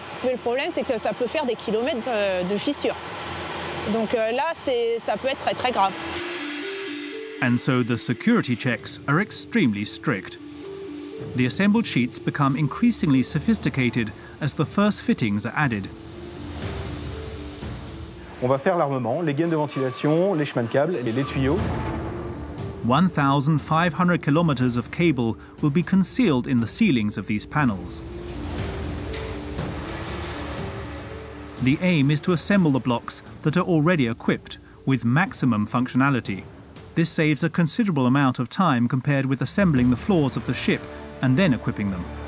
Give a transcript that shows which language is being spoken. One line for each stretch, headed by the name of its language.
French: Mais le problème, c'est que ça peut faire des kilomètres de fissure. Donc là, ça peut être très, très grave.
English: And so the security checks are extremely strict. The assembled sheets become increasingly sophisticated as the first fittings are added.
French: On va faire l'armement, les gaines de ventilation, les chemins de câbles, les tuyaux.
English: 1,500 kilometers of cable will be concealed in the ceilings of these panels. The aim is to assemble the blocks that are already equipped with maximum functionality. This saves a considerable amount of time compared with assembling the floors of the ship and then equipping them.